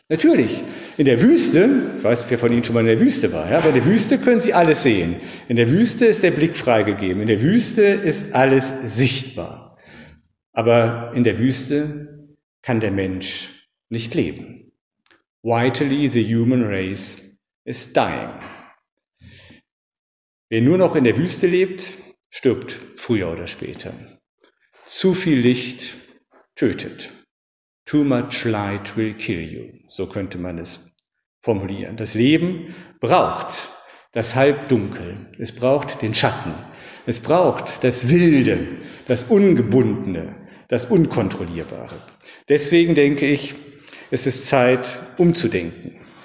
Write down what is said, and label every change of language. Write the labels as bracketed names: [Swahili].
[German] Natürlich, in der Wüste, ich weiß nicht, wer von Ihnen schon mal in der Wüste war, ja, aber in der Wüste können Sie alles sehen. In der Wüste ist der Blick freigegeben. In der Wüste ist alles sichtbar. Aber in der Wüste kann der Mensch nicht leben. [English] Vitally, the human race is dying. [German] Wer nur noch in der Wüste lebt, stirbt früher oder später. Zu viel Licht tötet. [English] Too much light will kill you. [German] So könnte man es formulieren. Das Leben braucht das Halbdunkel. Es braucht den Schatten. Es braucht das Wilde, das Ungebundene, das Unkontrollierbare. Deswegen denke ich, es ist Zeit, umzudenken.